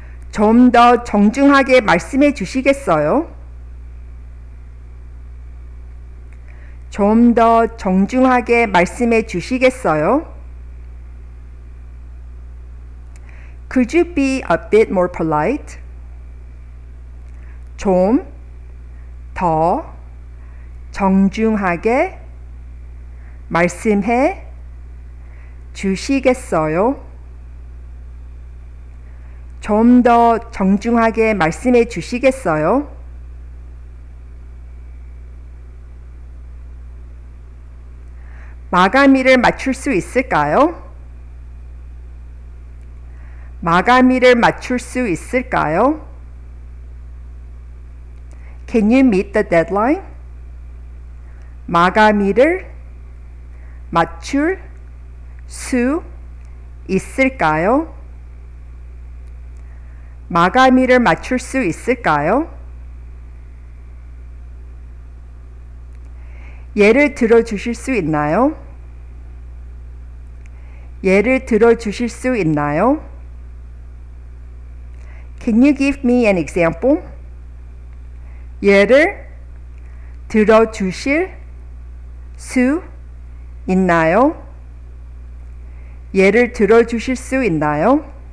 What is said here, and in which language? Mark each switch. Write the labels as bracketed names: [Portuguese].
[Korean] 좀 더 정중하게 말씀해 주시겠어요? 좀 더 정중하게 말씀해 주시겠어요? [English] Could you be a bit more polite? [Korean] 좀 더 정중하게 말씀해 주시겠어요? 좀 더 정중하게 말씀해 주시겠어요? 마감일을 맞출 수 있을까요? 마감일을 맞출 수 있을까요? [English] Can you meet the deadline? [Korean] 마감일을 맞출 수 있을까요? 마감일을 맞출 수 있을까요? 예를 들어 주실 수 있나요? 예를 들어 주실 수 있나요? [English] Can you give me an example? [Korean] 예를 들어 주실 수 있나요? 예를 들어 주실 수 있나요?